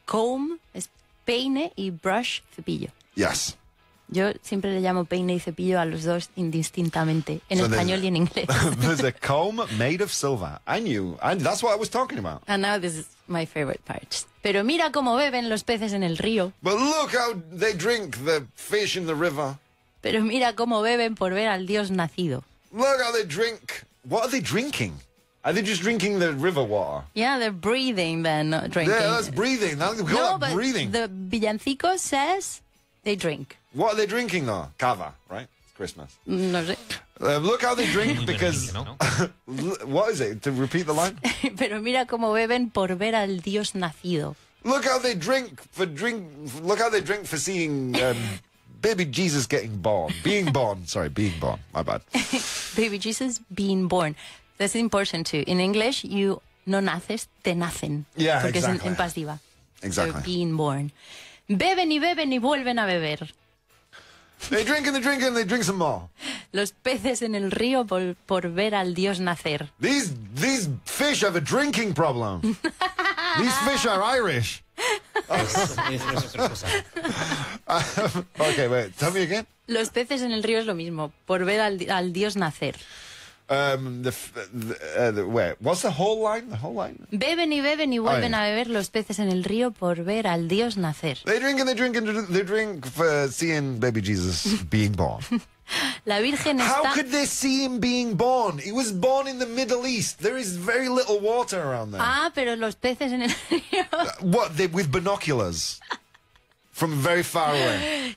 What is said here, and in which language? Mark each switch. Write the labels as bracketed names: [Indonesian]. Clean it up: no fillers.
[Spanish] Comb es peine y brush, cepillo. [English] Yes. [Spanish] Yo siempre le llamo peine y cepillo a los dos indistintamente, en so español y en inglés. [English] There's a comb made of silver. I knew. And that's what I was talking about. And now this is my favorite part. [Spanish] Pero mira cómo beben los peces en el río. [English] But look how they drink the fish in the river. [Spanish] Pero mira cómo beben por ver al Dios nacido. [English] Look how they drink. What are they drinking? Are they just drinking the river water? Yeah, they're breathing, they're not drinking. Yeah, that's breathing. That's, no, that but breathing. The villancico says they drink. What are they drinking, though? Cava, right? It's Christmas. [Spanish] No sé. [English] Look how they drink, because... what is it? To repeat the line? [Spanish] Pero mira cómo beben por ver al Dios nacido. [English] Look how they drink for drink. Look how they drink for seeing baby Jesus getting born. Being born. Sorry, being born. My bad. Baby Jesus being born. That's important too. In English, you [Spanish] no naces, te nacen. [English] Yeah, [Spanish] porque [English] exactly. [Spanish] Es en pasiva. [English] Exactly. So being born. [Spanish] Beben y beben y vuelven a beber. [English] They drink and they drink some more. [Spanish] Los peces en el río por ver al Dios nacer. [English] These fish have a drinking problem. These fish are Irish. Okay, wait. Tell me again. [Spanish] Los peces en el río es lo mismo, por ver al Dios nacer. [English] What's the whole line? The whole line. [Spanish] Beben y beben y vuelven a beber los peces en el río por ver al Dios nacer. [English] They drink and they drink and they drink for seeing baby Jesus being born. [Spanish] La Virgen está. [English] How could they see him being born? He was born in the Middle East. There is very little water around there. [Spanish] Ah, pero los peces en el río. [English] What? They, with binoculars. From very far away.